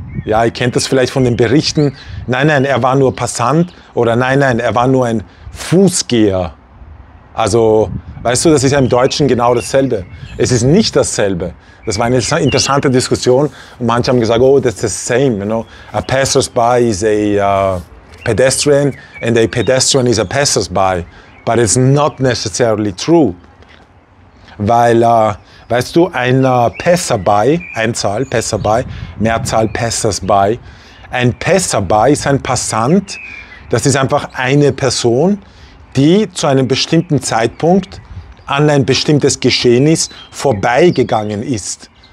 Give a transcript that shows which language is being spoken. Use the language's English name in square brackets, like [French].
[German] Ja, ihr kennt das vielleicht von den Berichten. Nein, nein, er war nur Passant oder nein, nein, er war nur ein Fußgeher. Also, weißt du, das ist ja im Deutschen genau dasselbe. Es ist nicht dasselbe. Das war eine interessante Diskussion und manche haben gesagt, [English] oh, that's the same, you know. A passersby is a pedestrian and a pedestrian is a passersby. But it's not necessarily true. [German] Weil, weißt du, ein Passerby, Einzahl, Passerby, Mehrzahl, Passersby, ein Passerby ist ein Passant, das ist einfach eine Person, die zu einem bestimmten Zeitpunkt an ein bestimmtes Geschehnis vorbeigegangen ist.